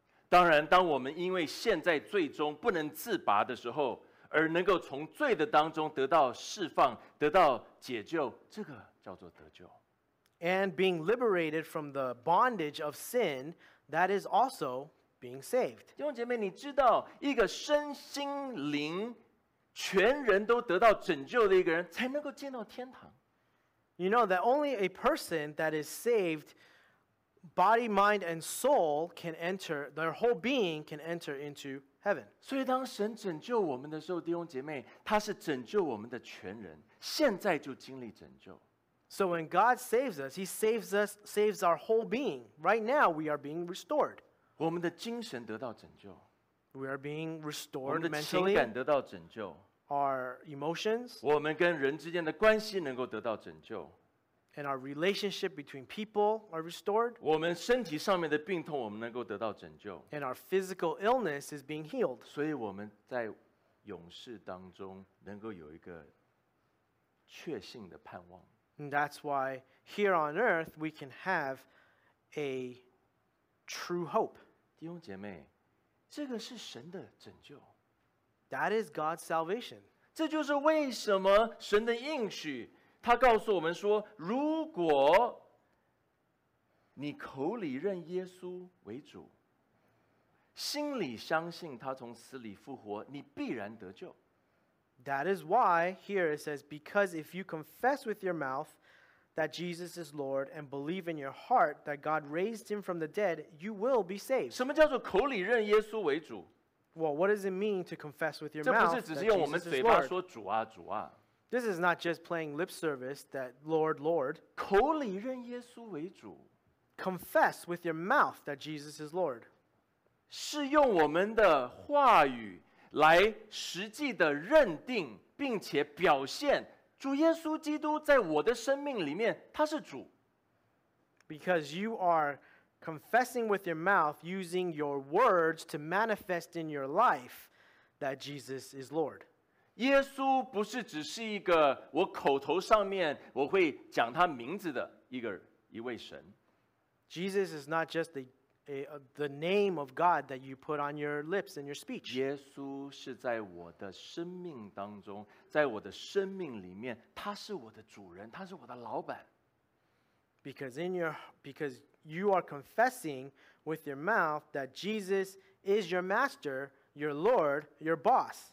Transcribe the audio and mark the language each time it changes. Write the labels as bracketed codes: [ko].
[zh] 当然，当我们因为陷在罪中不能自拔的时候，而能够从罪的当中得到释放，得到解救，这个叫做得救。 [en] And being liberated from the bondage of sin, that is also being saved. [zh] 弟兄姐妹，你知道一个身心灵全人都得到拯救的一个人，才能够见到天堂。 [en] You know that only a person that is saved, body, mind, and soul can enter, their whole being can enter into heaven. [zh] 所以当神拯救我们的时候，弟兄姐妹，他是拯救我们的全人，现在就经历拯救。 [en] So when God saves us, he saves us, saves our whole being. Right now, we are being restored. [zh] 我们的精神得到拯救。 [en] We are being restored mentally. [zh] 我们的情感得到拯救。 [en] Our emotions, [zh] 我们跟人之间的关系能够得到拯救。 [en] And our relationship between people are restored. [zh] 我们身体上面的病痛我们能够得到拯救。 [en] And our physical illness is being healed. [zh] 所以我们在永世当中能够有一个确信的盼望。 [en] And that's why here on earth we can have a true hope. [zh] 弟兄姐妹，这个是神的拯救。 [en] That is God's salvation. [zh] 这就是为什么神的应许，他告诉我们说，如果你口里认耶稣为主，心里相信他从死里复活，你必然得救。 [en] That is why here it says, because if you confess with your mouth that Jesus is Lord and believe in your heart that God raised him from the dead, you will be saved. [zh] 什么叫做口里认耶稣为主？ [en] Well, what does it mean to confess with your mouth that Jesus is Lord? [zh] 这不是只是用我们嘴巴说主啊主啊。 [en] This is not just playing lip service that Lord, Lord. [zh] 口里认耶稣为主。 [en] Confess with your mouth that Jesus is Lord. [zh] 是用我们的话语来实际的认定并且表现主耶稣基督在我的生命里面他是主。 [en] Because you are confessing with your mouth, using your words to manifest in your life that Jesus is Lord. [zh] 耶稣不是只是一个我口头上面我会讲他名字的一位神。 [en] Jesus is not just the name of God that you put on your lips and your speech. [zh] 耶稣是在我的生命当中，在我的生命里面，他是我的主人，他是我的老板。 [en] Because you are confessing with your mouth that Jesus is your master, your Lord, your boss.